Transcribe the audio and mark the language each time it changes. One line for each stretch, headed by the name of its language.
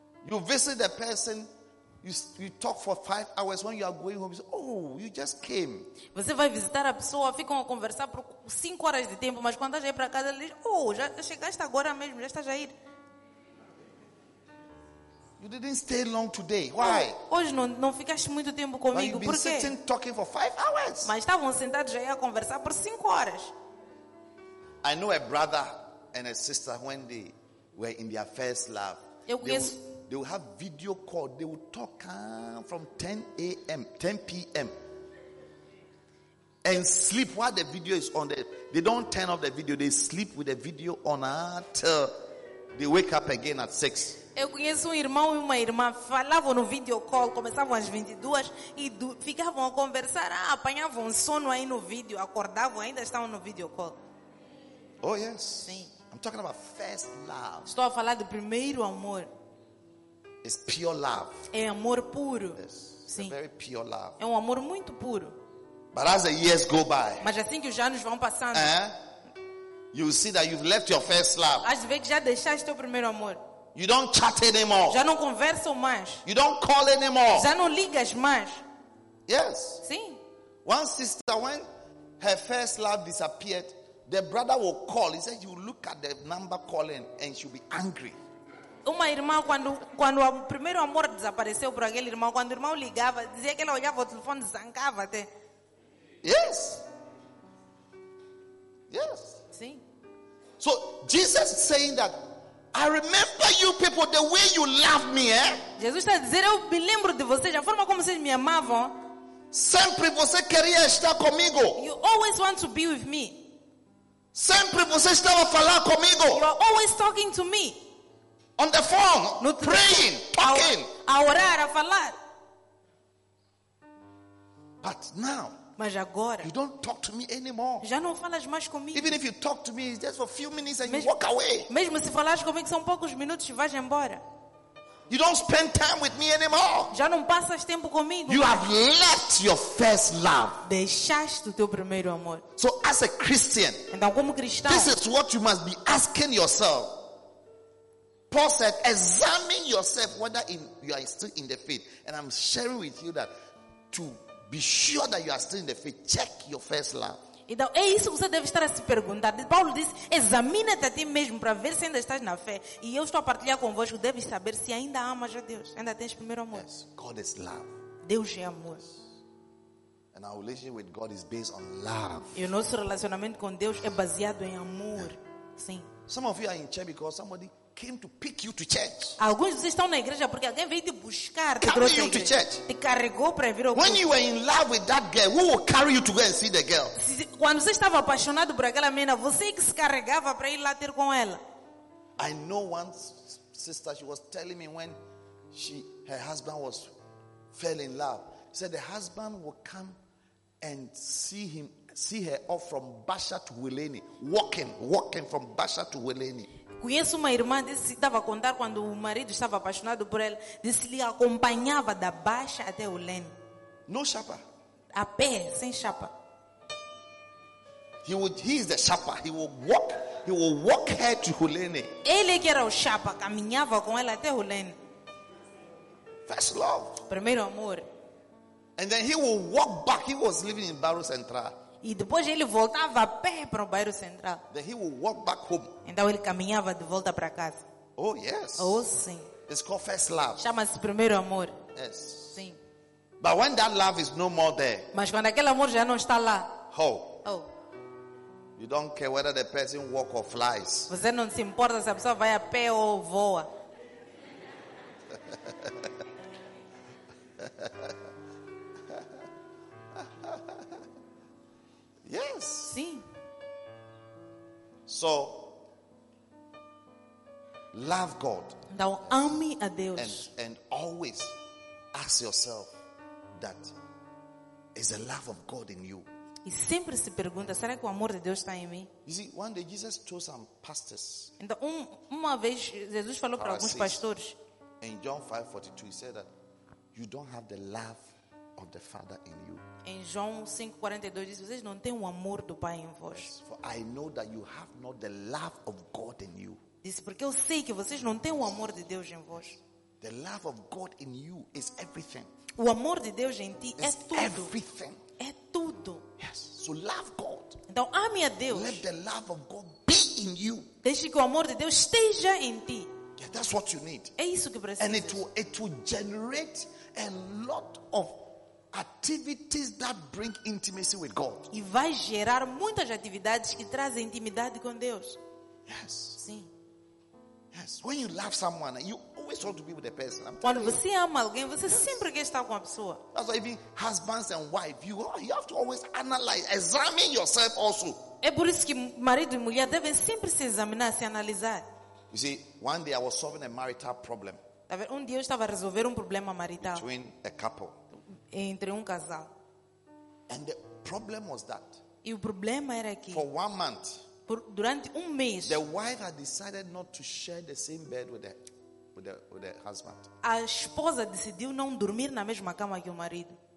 English: You visit the person, you talk for 5 hours. When you are going home, you say, oh, you just came.
Portuguese: Você vai visitar a pessoa, ficam a conversar por 5 horas de tempo, mas quando estás aí para casa, ele diz, oh, já chegaste agora mesmo, já estás a ir.
English: You didn't stay long today. Why?
Portuguese: Hoje não ficaste muito tempo comigo.
English: But you've been
Portuguese: por quê?
English: Sitting talking for 5 hours.
Portuguese: Mas estavam sentados aí a conversar por 5 horas.
English: I know a brother and a sister when they were in their first love.
Portuguese: Eu conheço.
English: They will have video call. They will talk from 10 p.m. and sleep while the video is on. They don't turn off the video. They sleep with the video on until they wake up again at 6.
Portuguese: Eu conheço um irmão e uma irmã. Falavam no video call. Começavam às 22 e ficavam a conversar. Ah, apanhavam sono aí no vídeo. Acordavam, ainda estavam no video call.
English: Oh, yes.
Portuguese: Sim.
English: I'm talking about first love.
Portuguese: Estou a falar do primeiro amor.
English: It's pure love.
Portuguese: É amor puro.
English: Yes.
Portuguese: Sim.
English: A very pure love.
Portuguese: É um amor muito puro.
English: But as the years go by,
Portuguese: mas assim que os anos vão passando,
English: you see that you've left your first love.
Portuguese: As vezes que já deixaste teu primeiro amor.
English: You don't chat anymore.
Portuguese: Já não conversam mais.
English: You don't call anymore.
Portuguese: Já não ligas mais.
English: Yes.
Portuguese: Sim.
English: One sister, when her first love disappeared, the brother will call. He said, you look at the number calling and she'll be angry.
Portuguese: Uma irmã, quando o primeiro amor desapareceu por aquele irmão, quando o irmão ligava, dizia que ela olhava o telefone e zangava até.
English: Yes. Yes.
Portuguese: Sim.
English: So, Jesus is saying that, I remember you people, the way you loved me, eh?
Portuguese: Jesus está dizendo, eu me lembro de vocês, a forma como vocês me amavam. Sempre você queria estar comigo.
English: You always want to be with me.
Portuguese: Sempre você estava a falar comigo.
English: You are always talking to me. On the phone, no, praying, talking.
Portuguese: A orar, a falar.
English: But now,
Portuguese: mas agora,
English: you don't talk to me anymore.
Portuguese: Já não falas mais comigo.
English: Even if you talk to me, it's just for a few minutes and you walk away.
Portuguese: Mesmo se falares comigo, são poucos minutos e vais embora.
English: You don't spend time with me anymore.
Portuguese: Já não passas tempo comigo.
English: You have left your first love.
Portuguese: Deixaste o teu primeiro amor.
English: So as a Christian,
Portuguese: então como cristão,
English: this is what you must be asking yourself. Paul said, examine yourself whether you are still in the faith. And I'm sharing with you that to be sure that you are still in the faith, check your first love.
Portuguese: Então é isso que você deve estar a se perguntar. Paulo disse, examina-te a ti mesmo para ver se ainda estás na fé. E eu estou a partilhar convosco, deves saber se ainda amas a Deus, ainda tens primeiro amor.
English: Yes, God is love.
Portuguese: Deus é amor.
English: And our relationship with God is based on love.
Portuguese: E o nosso relacionamento com Deus é baseado em amor. Sim.
English: Some of you are in church because somebody came to pick you to church.
Portuguese: Alguns de vocês estão na igreja porque alguém veio te buscar.
English: Carry you to church.
Portuguese: Te carregou para vir ao culto.
English: When you were in love with that girl, who will carry you to go and see the girl?
Portuguese: Quando você estava apaixonado por aquela menina, você que se carregava para ir lá ter com ela.
English: I know one sister. She was telling me when her husband was fell in love. She said the husband would come and see her off from Basha to Wileni, walking from Basha to Wileni.
Portuguese: Conheço uma irmã, disse que estava a contar quando o marido estava apaixonado por ela, disse que lhe acompanhava da Baixa até o Leme.
English: No chapa.
Portuguese: A pé, sem chapa.
English: He is the chapa. He will walk. He will walk her to Hulene.
Portuguese: Ele que era o chapa caminhava com ela até Hulene.
English: First love.
Portuguese: Primeiro amor.
English: And then he will walk back. He was living in Bairro Central.
Portuguese: E depois ele voltava a pé para o Bairro Central.
English: Then he will walk back home.
Portuguese: Então ele caminhava de volta para casa.
English: Oh yes.
Portuguese: Oh sim.
English: It's called first love.
Portuguese: Chama-se primeiro amor.
English: Yes.
Portuguese: Sim.
English: But when that love is no more there.
Portuguese: Mas quando aquele amor já não está lá. Oh. Oh.
English: You don't care whether the person walks or flies.
Portuguese: Você não se importa se a pessoa vai a pé ou voa.
English: Yes.
Portuguese: Sim.
English: So, love God.
Portuguese: Então ame a Deus.
English: And always ask yourself that is the love of God in you.
Portuguese: E sempre se pergunta, será que o amor de Deus está em mim?
English: You see, one day Jesus told some pastors.
Portuguese: Então uma vez Jesus falou para alguns pastores.
English: In John 5:42, he said that you don't have the love of the Father in you.
Portuguese: Em João 5:42 diz, vocês não têm o amor do Pai em vós.
English: Yes, for I know that you have not the love of God in you.
Portuguese: Diz, porque eu sei que vocês não têm o amor de Deus em vós.
English: The love of God in you is everything.
Portuguese: O amor de Deus em ti é tudo.
English: Everything.
Portuguese: É tudo.
English: Yes. So love God.
Portuguese: Então ame a Deus.
English: Let the love of God be in you.
Portuguese: Deixe que o amor de Deus esteja em ti.
English: Yeah, that's what you need.
Portuguese: É isso que precisa.
English: And it will generate a lot of activities that bring intimacy with God.
Portuguese: E vai gerar muitas atividades que trazem intimidade com Deus.
English: Yes.
Portuguese: Sim.
English: Yes. When you love someone, you always want to be with the person.
Portuguese: Quando você ama alguém, você sempre quer estar com a pessoa.
English: That's why even husbands and wives, you have to always analyze, examine yourself also.
Portuguese: É por isso que marido e mulher devem sempre se examinar, se analisar.
English: You see, one day I was solving a marital problem.
Portuguese: Um dia eu estava a resolver um problema marital.
English: Between a couple.
Portuguese: Entre casal.
English: And the problem was that.
Portuguese: E o problema era que.
English: For 1 month.
Portuguese: Durante mês.
English: The wife had decided not to share the same bed with the husband.
Portuguese: A esposa decidiu não dormir na mesma cama que o marido.